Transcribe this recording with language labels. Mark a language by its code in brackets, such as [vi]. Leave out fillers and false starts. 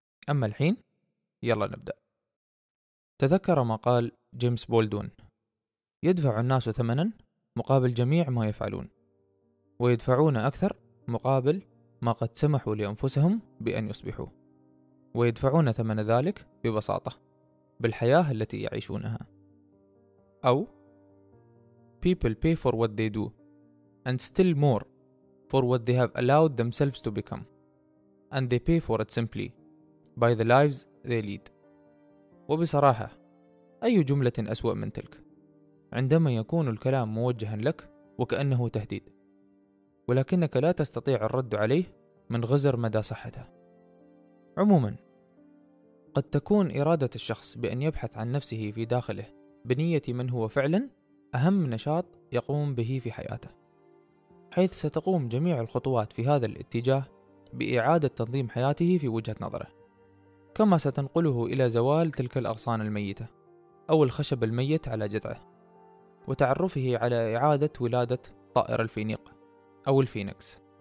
[ar] أما الحين، يلا نبدأ. تذكر ما قال جيمس بولدون: يدفع الناس ثمنا مقابل جميع ما يفعلون، ويدفعون أكثر مقابل ما قد سمحوا لأنفسهم بأن يصبحوا، ويدفعون ثمن ذلك ببساطة بالحياة التي يعيشونها. [en] أو People pay for what they do and still more for what they have allowed themselves to become and they pay for it simply by the lives they lead. [ar] وبصراحة، أي جملة أسوأ من تلك؟ عندما يكون الكلام موجها لك وكأنه تهديد، ولكنك لا تستطيع الرد عليه من غزر مدى صحته. عموما، قد تكون إرادة الشخص بأن يبحث عن نفسه في داخله بنية من هو فعلا أهم نشاط يقوم به في حياته، حيث ستقوم جميع الخطوات في هذا الاتجاه بإعادة تنظيم حياته في وجهة نظره، كما ستنقله إلى زوال تلك الأغصان الميتة أو الخشب الميت على جذعه، وتعرفه على إعادة ولادة طائر الفينيق أو الفينيكس.